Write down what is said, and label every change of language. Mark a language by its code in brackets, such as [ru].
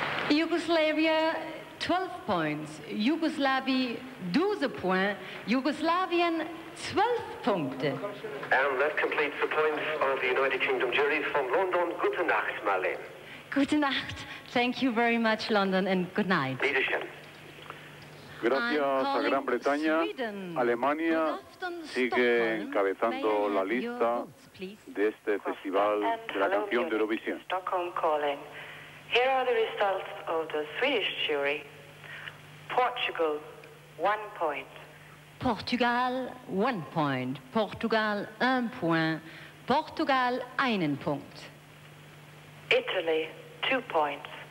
[en] Yugoslavia, 12 points. Yugoslavia, 12 points. Yugoslavian, 12 points. And that completes the points of the United Kingdom jury from London. [de] Gute Nacht, Marlene. Gute Nacht. [en] Thank you very much, London, and good night. Leadership. [es] Gracias a Gran Bretaña, Alemania sigue encabezando la lista de este festival de la canción de Eurovisión. [en] Stockholm calling. Here are the results of the Swedish jury. Portugal, 1 point. Portugal, 1 point. Portugal, 1 point. Portugal, 1 point. Italy, 2 points.